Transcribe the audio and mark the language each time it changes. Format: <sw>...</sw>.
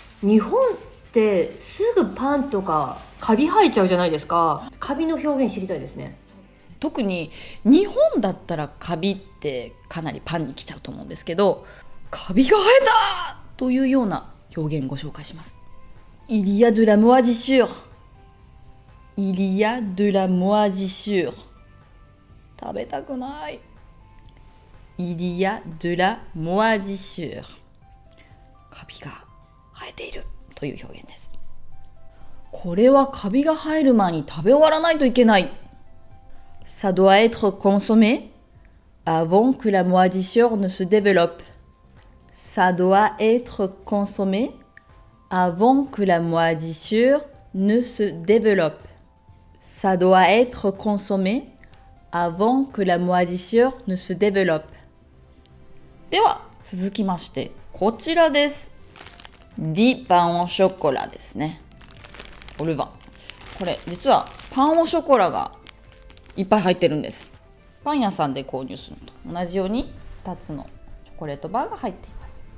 <ja>日本ってすぐパンとかカビ生えちゃうじゃないですか。カビの表現知りたいですね。特に日本だったらカビってかなりパンに来ちゃうと思うんですけど、カビが生えたというような表現ご紹介します。</ja> <fr>Il y a de la moisissureIl y a de la moisissure.</fr> <ja>食べたくない。</ja> <fr>Il y a de la moisissure.</fr> <ja>カビが生えているという表現です。これはカビが生える前に食べ終わらないといけない。</ja> <fr>Ça doit être consommé avant que la moisissure ne se développe. Ça doit être consommé avant que la moisissure ne se développe. Ça doit être consommé avant que la moisissure ne se développe.</fr> <ja>では続きまして、こちらです。ディパンオンショコラですね。オルヴァン。これ実はパンオンショコラがいっぱい入ってるんです。パン屋さんで購入するのと同じように2つのチョコレートバーが入っています。</ja>